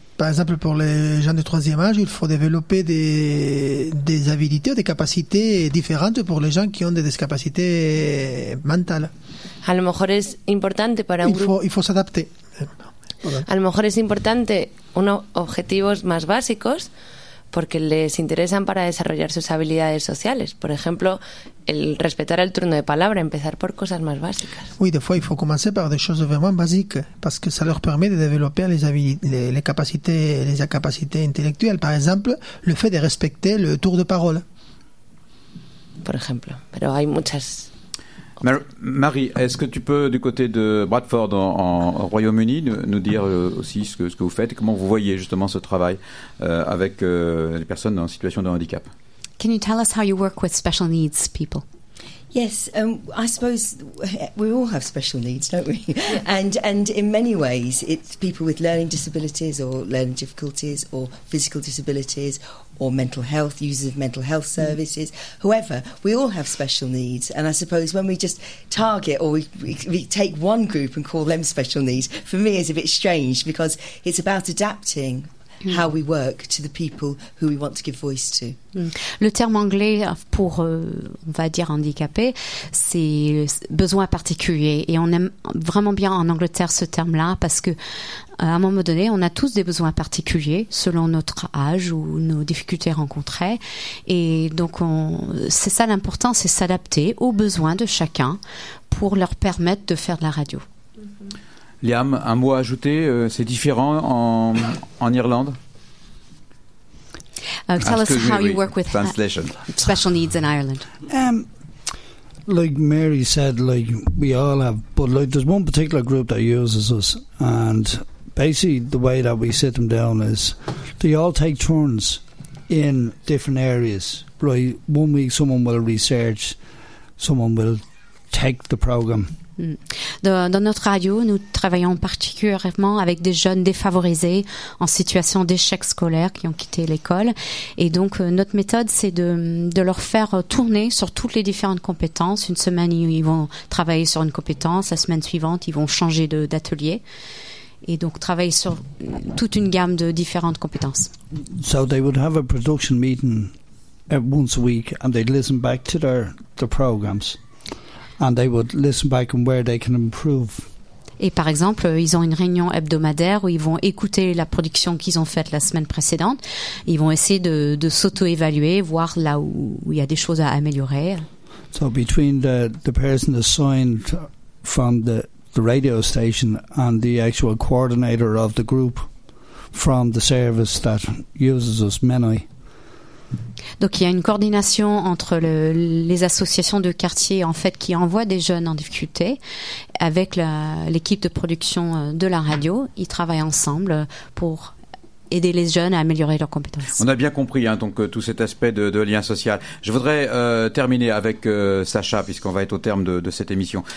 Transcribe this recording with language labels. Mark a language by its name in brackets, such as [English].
[French] Par exemple, pour les gens de troisième âge, il faut développer des habiletés ou des capacités différentes pour les gens qui ont des discapacités mentales. [Spanish] A lo mejor es importante para un grupo. [French] Il faut s'adapter. [Spanish] A lo mejor es importante unos objetivos más básicos porque les interesan para desarrollar sus habilidades sociales. Por ejemplo, el respetar el turno de palabra, empezar por cosas más básicas. [French] Oui, des fois, il faut commencer par des choses vraiment basiques, parce que ça leur permet de développer les capacités intellectuelles. Par exemple, le fait de respecter le tour de parole. [Spanish] Por ejemplo, pero hay muchas [French] Marie, est-ce que tu peux, du côté de Bradford en Royaume-Uni, nous dire aussi ce que vous faites et comment vous voyez justement ce travail avec les personnes en situation de handicap? [English] Can you tell us how you work with special needs people? Yes, I suppose we all have special needs, don't we? And in many ways, it's people with learning disabilities or learning difficulties or physical disabilities or mental health, users of mental health services. Mm. However, we all have special needs. And I suppose when we just target or we take one group and call them special needs, for me, is a bit strange because it's about adapting how we work to the people who we want to give voice to. [French] Le terme anglais pour, on va dire, handicapé, c'est besoin particulier. Et on aime vraiment bien en Angleterre ce terme-là parce que, à un moment donné, on a tous des besoins particuliers selon notre âge ou nos difficultés rencontrées. Et donc, c'est ça l'important, c'est s'adapter aux besoins de chacun pour leur permettre de faire de la radio. Liam, un mot à ajouter, c'est différent en Irlande. [English] Tell us how you work with special needs in Ireland. Like Mary said, like we all have, but like there's one particular group that uses us, and basically the way that we sit them down is they all take turns in different areas. Right, one week someone will research, someone will take the program. [French] Dans notre radio, nous travaillons particulièrement avec des jeunes défavorisés en situation d'échec scolaire qui ont quitté l'école. Et donc, notre méthode, c'est de leur faire tourner sur toutes les différentes compétences. Une semaine, ils vont travailler sur une compétence. La semaine suivante, ils vont changer d'atelier. Et donc, travailler sur toute une gamme de différentes compétences. [English] So they would have a production meeting once a week and they'd listen back to their programs. And they would listen back and where they can improve. [French] Et par exemple, ils ont une réunion hebdomadaire où ils vont écouter la production qu'ils ont faite la semaine précédente. Ils vont essayer de s'auto-évaluer, voir là où il y a des choses à améliorer. [English] So between the person assigned from the radio station and the actual coordinator of the group from the service that uses us mainly. [French] Donc il y a une coordination entre les associations de quartier en fait qui envoient des jeunes en difficulté avec l'équipe de production de la radio. Ils travaillent ensemble pour aider les jeunes à améliorer leurs compétences. On a bien compris hein, donc tout cet aspect de lien social. Je voudrais terminer avec Sacha puisqu'on va être au terme de cette émission.